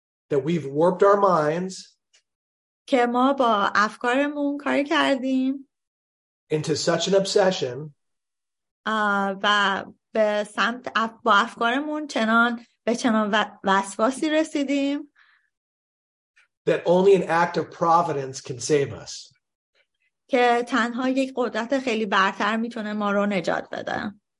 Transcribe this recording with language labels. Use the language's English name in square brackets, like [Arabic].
[English] That we've warped our minds. [Persian] که ما با افکارمون کاری کردیم. [English] Into such an obsession. [Persian] و به سمت با افکارمون چنان به چنان وسواسی رسیدیم. [English] That only an act of providence can save us. [Persian] که تنها یک قدرت خیلی برتر میتونه ما رو نجات بده.